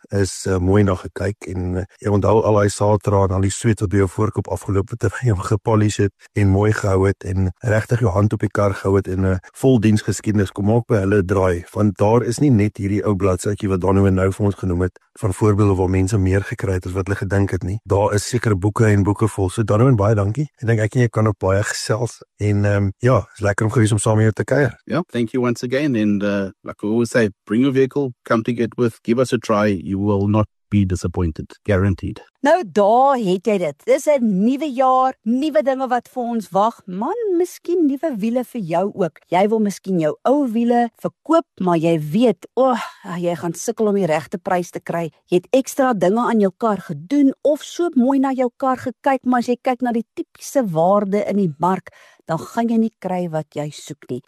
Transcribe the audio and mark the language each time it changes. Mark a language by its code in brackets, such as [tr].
[af] is mooi na gekyk en jy onthou al daai saatra en al die sweet wat by jou voorkop afgeloop het terwyl jy hom gepolish het en mooi gehou het en regtig jou hand op die kar gehou het en 'n vol diensgeskiedenis kom ook by hulle draai, want daar is nie net hierdie ou bladsytjie wat Donnie nou vir ons genoem het van voorbeelde waar mense meer gekry het as wat hulle gedink het nie. Daar is sekere boeke en boeke vol. So Donnie, baie dankie. Ek dink ek en jy kan op baie gesels en ja, is lekker om gewees om saam hier te kuier. [en] Yeah, thank you once again and like we always say, bring your vehicle, come to get with, give us a try, you will not be disappointed, guaranteed. [af] Nou daar het jy dit. Dis 'n nuwe jaar, nuwe dinge wat vir ons wag. Man, miskien nuwe wiele vir jou ook. Jy wil miskien jou ou wiele verkoop, maar jy weet, jy gaan sukkel om die regte prys te kry. Jy het ekstra dinge aan jou kar gedoen of so mooi na jou kar gekyk, maar as jy kyk na die tipiese waarde in die mark, dan gaan jy nie kry wat jy soek nie.